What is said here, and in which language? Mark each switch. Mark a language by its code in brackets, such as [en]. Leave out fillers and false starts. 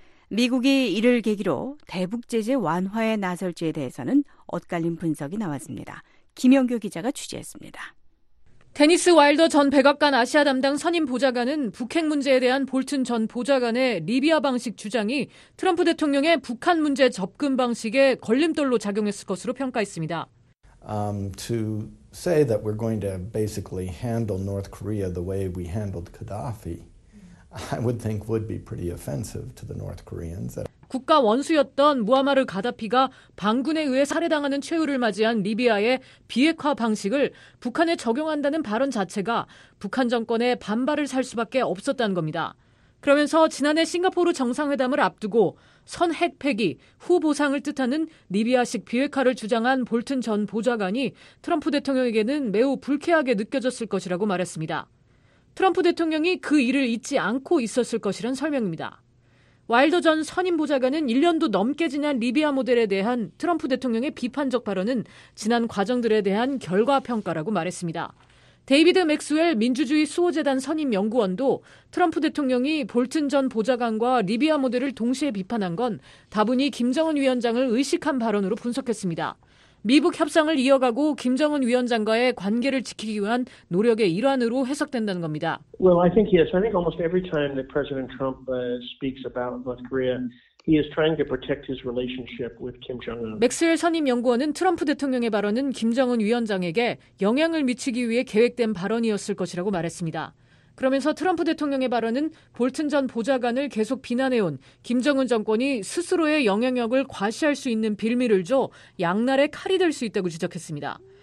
[ko] 미국이 이를 계기로 대북 제재 완화에 나설지에 대해서는 엇갈린 분석이 나왔습니다. 김영규 기자가 취재했습니다. 데니스 와일더 전 백악관 아시아 담당 선임 보좌관은 북핵 문제에 대한 볼튼 전 보좌관의 리비아 방식 주장이 트럼프 대통령의 북한 문제 접근 방식에 걸림돌로 작용했을 것으로 평가했습니다. [en] To say that we're going to basically handle North Korea the way we handled Gaddafi, I would think would be pretty offensive to the North Koreans. [ko] 국가 원수였던 무아마르 가다피가 반군에 의해 살해당하는 최후를 맞이한 리비아의 비핵화 방식을 북한에 적용한다는 발언 자체가 북한 정권에 반발을 살 수밖에 없었다는 겁니다. 그러면서 지난해 싱가포르 정상회담을 앞두고 선핵 폐기, 후 보상을 뜻하는 리비아식 비핵화를 주장한 볼튼 전 보좌관이 트럼프 대통령에게는 매우 불쾌하게 느껴졌을 것이라고 말했습니다. 트럼프 대통령이 그 일을 잊지 않고 있었을 것이란 설명입니다. 와일더 전 선임 보좌관은 1년도 넘게 지난 리비아 모델에 대한 트럼프 대통령의 비판적 발언은 지난 과정들에 대한 결과 평가라고 말했습니다. 데이비드 맥스웰 민주주의 수호재단 선임 연구원도 트럼프 대통령이 볼튼 전 보좌관과 리비아 모델을 동시에 비판한 건 다분히 김정은 위원장을 의식한 발언으로 분석했습니다. 미북 협상을 이어가고 김정은 위원장과의 관계를 지키기 위한 노력의 일환으로 해석된다는 겁니다. [en] Well, I think yes. I think almost every time that President Trump speaks about North Korea, he is trying to protect his relationship with Kim Jong-un. [ko] 맥스웰 선임 연구원은 트럼프 대통령의 발언은 김정은 위원장에게 영향을 미치기 위해 계획된 발언이었을 것이라고 말했습니다. 그러면서 트럼프 대통령의 발언은 볼튼 전 보좌관을 계속 비난해온 김정은 정권이 스스로의 영향력을 과시할 수 있는 빌미를 줘 양날의 칼이 될 수 있다고 지적했습니다.